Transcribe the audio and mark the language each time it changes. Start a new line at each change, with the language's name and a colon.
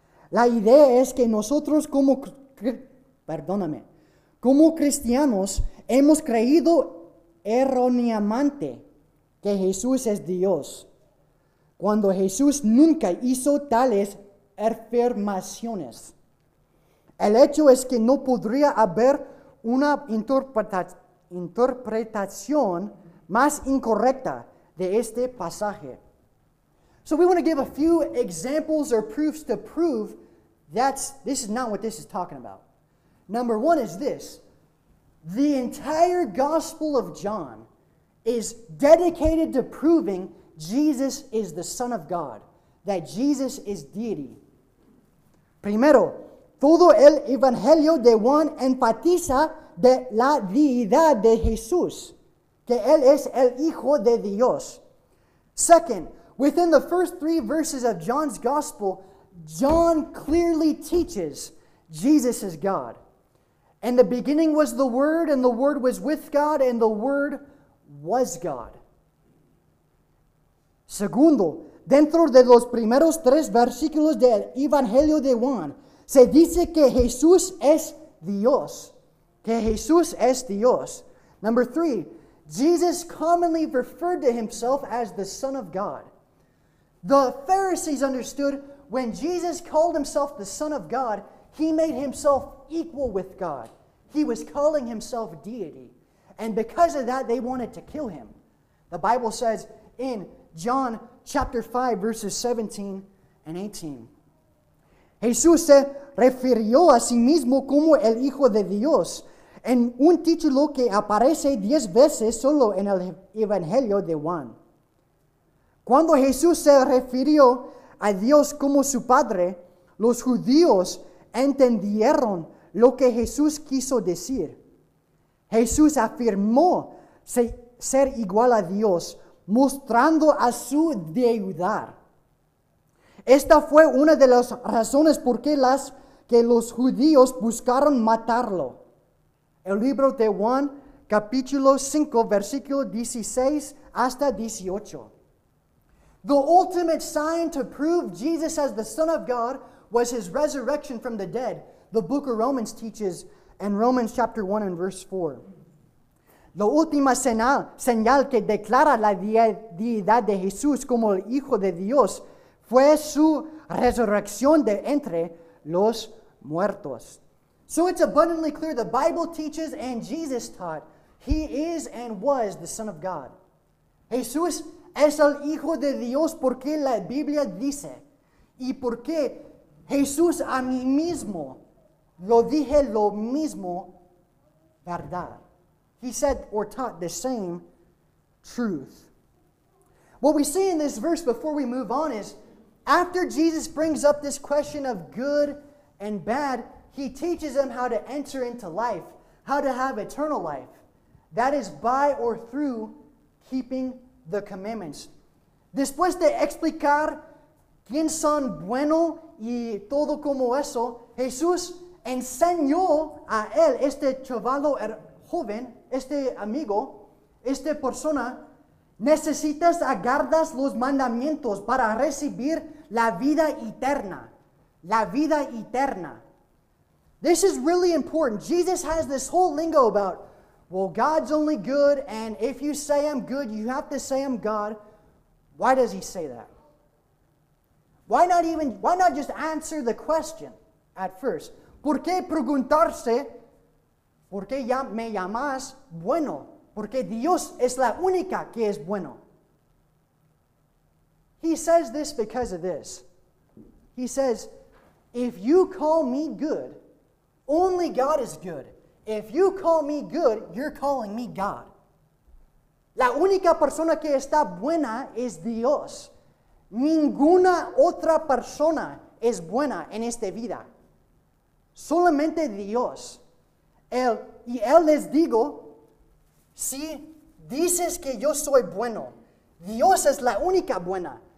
Spanish: La idea es que nosotros como cristianos hemos creído erróneamente que Jesús es Dios, cuando Jesús nunca hizo tales afirmaciones. El hecho es que no podría haber una interpretación más incorrecta de este pasaje.
English: So we want to give a few examples or proofs to prove that's this is not what this is talking about. Number one is this. The entire Gospel of John is dedicated to proving Jesus is the Son of God, that Jesus is deity.
Spanish: Primero, todo el Evangelio de Juan enfatiza de la deidad de Jesús, que Él es el Hijo de Dios.
English: Second, within the first three verses of John's Gospel, John clearly teaches Jesus is God. In the beginning was the Word, and the Word was with God, and the Word was God.
Spanish: Segundo, dentro de los primeros tres versículos del Evangelio de Juan, se dice que Jesús es Dios. Que Jesús es Dios.
English: Number three, Jesus commonly referred to himself as the Son of God. The Pharisees understood when Jesus called himself the Son of God, he made himself equal with God. He was calling himself deity. And because of that, they wanted to kill him. The Bible says in John chapter 5, verses 17 and 18,
Spanish: Jesús se refirió a sí mismo como el Hijo de Dios en un título que aparece 10 veces solo en el Evangelio de Juan. Cuando Jesús se refirió a Dios como su Padre, los judíos entendieron lo que Jesús quiso decir. Jesús afirmó ser igual a Dios, mostrando a su deidad. Esta fue una de las razones por qué que los judíos buscaron matarlo. El libro de Juan, capítulo 5, versículo 16 hasta 18.
English: The ultimate sign to prove Jesus as the Son of God was his resurrection from the dead, the book of Romans teaches in Romans chapter 1 and verse 4.
Spanish: La última señal que declara la deidad de Jesús como el Hijo de Dios fue su resurrección de entre los muertos.
English: So it's abundantly clear the Bible teaches and Jesus taught he is and was the Son of God.
Spanish: Jesús es el Hijo de Dios porque la Biblia dice y porque Jesús a mí mismo lo dije lo mismo verdad.
English: He said or taught the same truth. What we see in this verse before we move on is after Jesus brings up this question of good and bad, he teaches them how to enter into life, how to have eternal life. That is by or through keeping the commandments.
Spanish: Después de explicar quién son bueno y todo como eso, Jesús enseñó a él, este chavalo joven, este amigo, esta persona, necesitas aguardar los mandamientos para recibir la vida eterna. La vida eterna.
English: This is really important. Jesus has this whole lingo about, well, God's only good, and if you say I'm good, you have to say I'm God. Why does he say that? Why not just answer the question at first?
Spanish: ¿Por qué preguntarse? ¿Por qué me llamas bueno? Porque Dios es la única que es bueno.
English: He says this because of this. He says, if you call me good, only God is good. If you call me good, you're calling me God.
Spanish: La única persona que está buena es Dios. Ninguna otra persona es buena en esta vida. Solamente Dios. Y él les digo, si dices que yo soy bueno, Dios es la única buena.